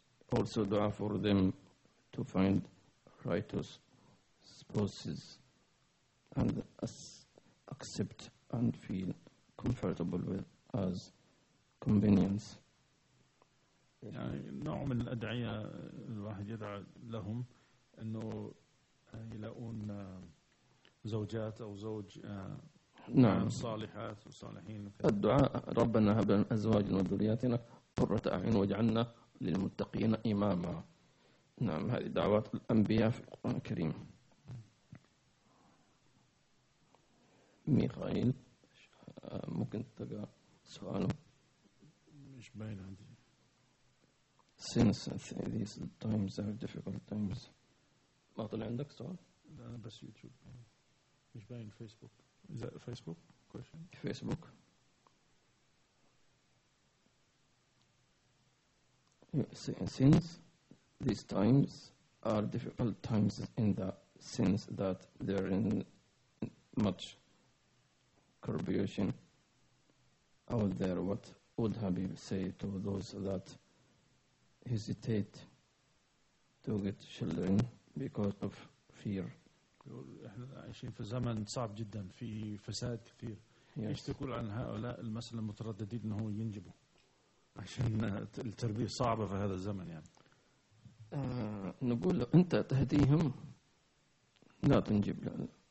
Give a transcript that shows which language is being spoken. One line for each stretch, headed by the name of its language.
English: also dua for them to find righteous spouses and accept and feel comfortable with as convenience.
Arabic: يعني نوع من الأدعية الواحد يدعى لهم أنه يلاقون زوجات أو زوج نعم صالحات وصالحين. الدعاء ربنا هب لنا أزواج وذرياتنا قرة أعين واجعلنا للمتقين إماما. نعم هذه دعوات الأنبياء في القرآن الكريم. ميخائيل ممكن تلقى سؤاله مش باين عندي.
English: Since these times are difficult times.
Arabic: ما طلع عندك سؤال؟ لا أنا بس يوتيوب. مش باين فيسبوك.
English: Is that a Facebook question? Facebook. Since these times are difficult times in the sense that there isn't much corruption out there, what would Habib say to those that hesitate to get children because of fear?
Arabic: احنا عايشين في زمن صعب جدا في فساد كثير. ايش تقول عن هؤلاء المثل المترددين انه ينجبوا عشان التربية صعبة في هذا الزمن؟ نقول له انت تهديهم لا تنجب.